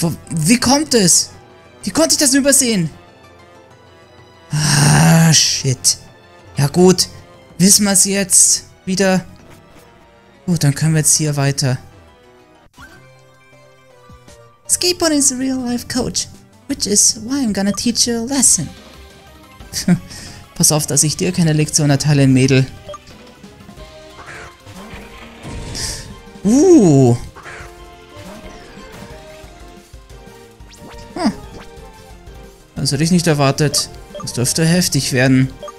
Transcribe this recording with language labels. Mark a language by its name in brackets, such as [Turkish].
[German] Wie kommt es? Wie konnte ich das denn übersehen? [English] Ah, shit. [German] Ja gut, wissen wir es jetzt wieder. Gut, dann können wir jetzt hier weiter. [English] Skateboarding is a real life coach, which is why I'm gonna teach you a lesson. [German] Pass auf, dass ich dir keine Lektion erteile, Mädel. Das hätte ich nicht erwartet. Das dürfte heftig werden.